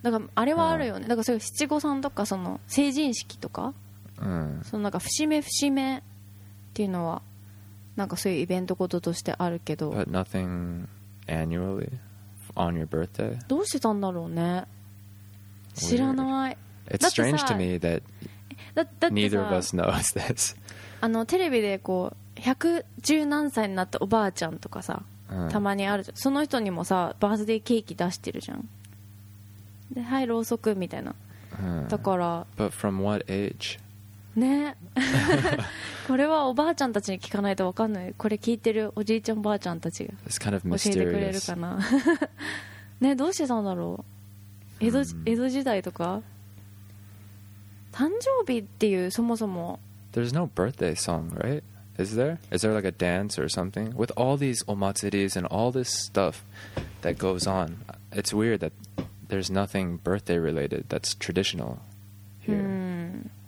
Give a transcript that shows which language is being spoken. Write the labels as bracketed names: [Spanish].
[Japanese] だからあれはあるよね。だからそういう七五三とかその成人式とか、そのなんか節目節目っていうのはなんかそういうイベントごととしてあるけど。 [English] But nothing annually on your birthday. [Japanese] どうしてたんだろうね。知らない。 [English] It's strange to me that neither of us knows this. [Japanese] あのテレビでこう110何歳になったおばあちゃんとかさ、たまにあるじゃん。その人にもさバースデーケーキ出してるじゃん。で、はい、ろうそくみたいな。だから。 [English] But from what age? [Japanese] ね。これはおばあちゃんたちに聞かないと分かんない。これ聞いてるおじいちゃんおばあちゃんたちが教えてくれるかな。ね、どうしてたんだろう。江戸時代とか。誕生日っていうそもそも。 [English] There's no birthday song, right? Is there like a dance or something? With all these omatsuris and all this stuff that goes on, it's weird that there's nothing birthday related that's traditional here.